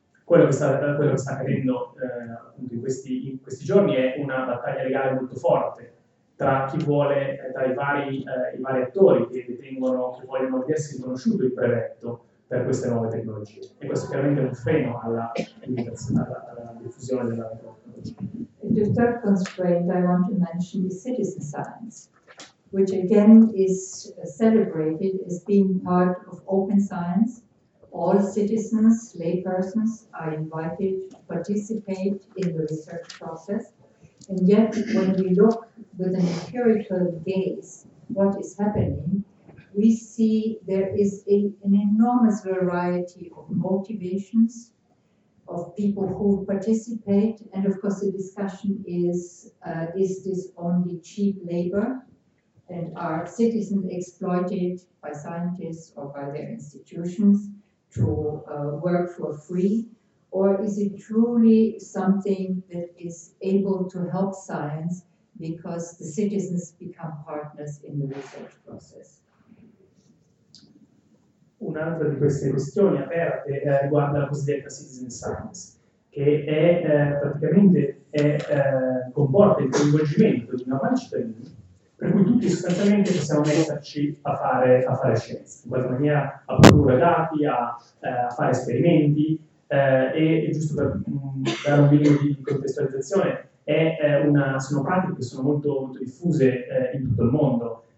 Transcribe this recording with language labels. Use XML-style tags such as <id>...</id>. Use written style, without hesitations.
<it>Quello che sta accadendo appunto in questi giorni è una battaglia legale molto forte tra chi vuole, tra i vari attori che vogliono vedersi riconosciuto il brevetto per queste nuove tecnologie. E questo chiaramente è un freno alla diffusione della tecnologia.</it> <en>The third constraint I want to mention is citizen science, which again is celebrated as being part of open science, All citizens, laypersons, are invited to participate in the research process. And yet, when we look with an empirical gaze what is happening, we see there is an enormous variety of motivations of people who participate. And of course, the discussion is this only cheap labor? And are citizens exploited by scientists or by their institutions to work for free? Or is it truly something that is able to help science because the citizens become partners in the research process?</en> <it>Un'altra di queste questioni aperte riguarda la cosiddetta citizen science, che è praticamente comporta il coinvolgimento di una marcia di. Per cui tutti sostanzialmente possiamo metterci a fare scienza, in qualche maniera a produrre dati, a fare esperimenti, e giusto per dare un minimo di contestualizzazione, sono pratiche che sono molto, molto diffuse in tutto il mondo.</it>